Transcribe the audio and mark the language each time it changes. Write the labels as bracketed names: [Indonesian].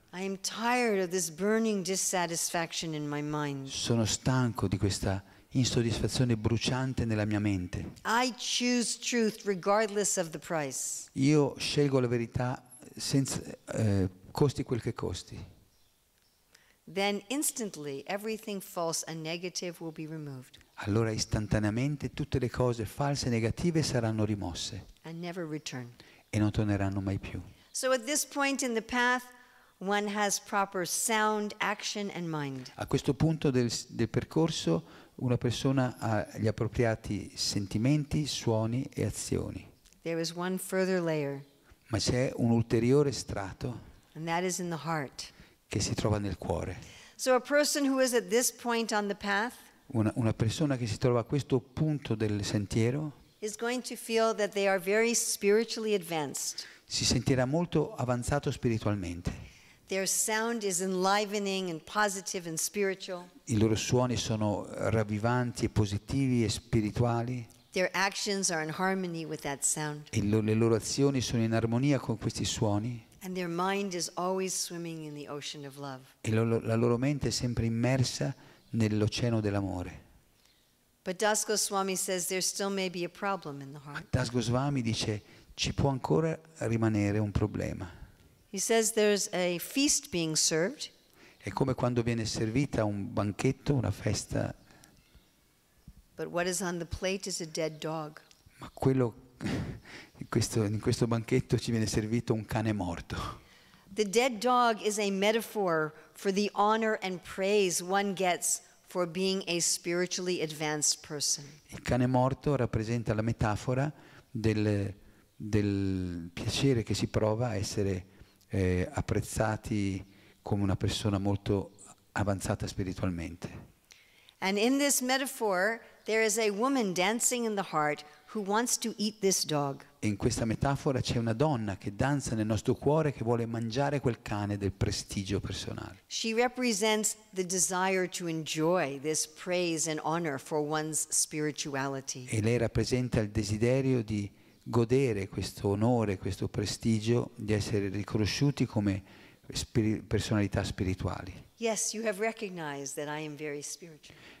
[English] I am tired of this burning dissatisfaction in my mind. [Italian] Sono stanco di questa insoddisfazione bruciante nella mia mente. [English] I choose truth regardless of the price. [Italian] Io scelgo la verità senza costi quel che costi. [English] Then instantly everything false and negative will be removed. [Italian] Allora istantaneamente tutte le cose false e negative saranno rimosse. [English] And never return. [Italian] E non torneranno mai più. [English] So at this point in the path, one has proper sound action and mind. [Italian] A questo punto del percorso, una persona ha gli appropriati sentimenti, suoni e azioni. [English] There is one further layer. [Italian] Ma c'è un ulteriore strato. [English] And that is in the heart. [Italian] Che si trova nel cuore. [English] So a person who is at this point on the path. [Italian] Una persona che si trova a questo punto del sentiero. [English] Is going to feel that they are very spiritually advanced. [Italian] Si sentirà molto avanzato spiritualmente. [English] Their sound is enlivening and positive and spiritual. [Italian] I loro suoni sono ravvivanti e positivi e spirituali. [English] Their actions are in harmony with that sound. [Italian] E le loro azioni sono in armonia con questi suoni. [English] And their mind is always swimming in the ocean of love. [Italian] E la loro mente è sempre immersa nell'oceano dell'amore. [English] But Das Goswami says there still may be a problem in the heart. [Italian] Das Goswami dice ci può ancora rimanere un problema. [English] He says there's a feast being served. [Italian] È come quando viene servita un banchetto, una festa. [English] But what is on the plate is a dead dog. [Italian] Ma quello in questo banchetto ci viene servito un cane morto. [English] The dead dog is a metaphor for the honor and praise one gets for being a spiritually advanced person. [Italian] Il cane morto rappresenta la metafora del piacere che si prova a essere apprezzati come una persona molto avanzata spiritualmente. [English] And in this metaphor there is a woman dancing in the heart who wants to eat this dog. [Italian] In questa metafora c'è una donna che danza nel nostro cuore che vuole mangiare quel cane del prestigio personale. [English] She represents the desire to enjoy this praise and honor for one's spirituality. [Italian] E lei rappresenta il desiderio di godere questo onore, questo prestigio, di essere riconosciuti come personalità spirituali. [English] Yes, you have recognized that I am very spiritual.